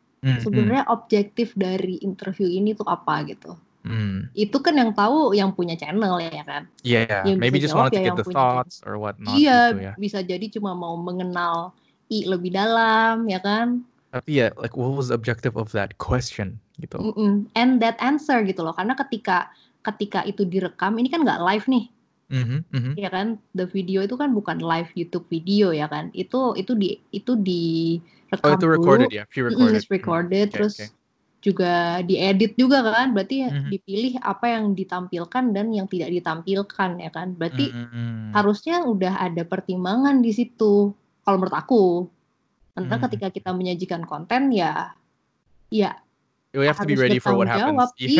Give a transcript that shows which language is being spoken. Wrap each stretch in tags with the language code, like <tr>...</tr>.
<id>Sebenarnya objektif dari interview ini tuh apa gitu. Itu kan yang tahu yang punya channel ya kan.</id> <en>Iya, yeah, maybe just wanted to get the thoughts or what not.</en> <id>Iya, gitu, bisa jadi cuma mau mengenal I lebih dalam ya kan.</id> <en>Tapi ya, like what was the objective of that question gitu. And that answer</en> <id>gitu loh, karena ketika itu direkam, ini kan enggak live nih. Ya kan, the video itu kan bukan live YouTube video ya kan. Itu di rekam. Oh, itu recorded ya, pure recorded.</id> <en>It's recorded</en> <id>terus juga diedit juga kan, berarti dipilih apa yang ditampilkan dan yang tidak ditampilkan ya kan, berarti harusnya udah ada pertimbangan di situ kalau menurut aku. Nanti ketika kita menyajikan konten ya</id> <en>you have to be ready for what happens.</en>